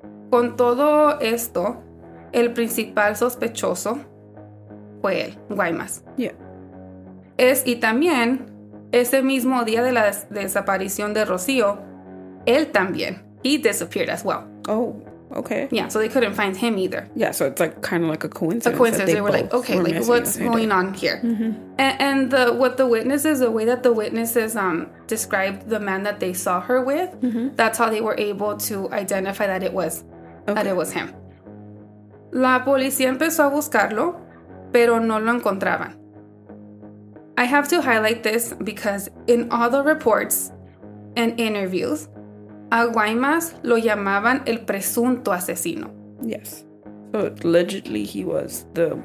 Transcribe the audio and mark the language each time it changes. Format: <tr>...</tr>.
<es>Con todo esto, el principal sospechoso fue él, Guaymas.</es> <en>Yeah.</en> <es>Y también. Ese mismo día de la desaparición de Rocío, él también.</es> <en>He disappeared as well. Oh, okay. Yeah, so they couldn't find him either. Yeah, so it's like kind of like a coincidence. A coincidence. They were like, okay, were like what's going on here? Mm-hmm. And the way that the witnesses described the man that they saw her with, that's how they were able to identify that it was him.</en> <es>La policía empezó a buscarlo, pero no lo encontraban.</es> <en>I have to highlight this because in all the reports and interviews,</en> <es>a Guaymas lo llamaban el presunto asesino.</es> <en>Yes. So, allegedly, he was the...</en>